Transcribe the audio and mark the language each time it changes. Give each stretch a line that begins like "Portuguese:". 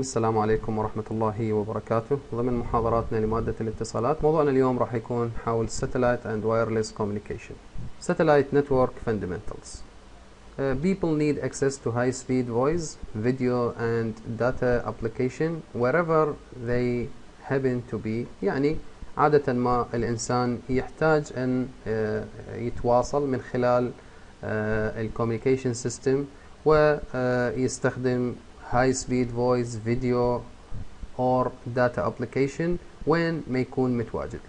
Arabic: السلام عليكم ورحمة الله وبركاته. ضمن محاضراتنا لمادة الاتصالات موضوعنا اليوم راح يكون حول
English: Satellite and Wireless Communication, Satellite Network Fundamentals. People need access to high-speed voice, video and data application wherever they happen to be.
Arabic: يعني عادة ما الإنسان يحتاج أن يتواصل من خلال الcommunication system ويستخدم
English: high-speed voice, video, or data application when
Arabic: ما يكون متواجد.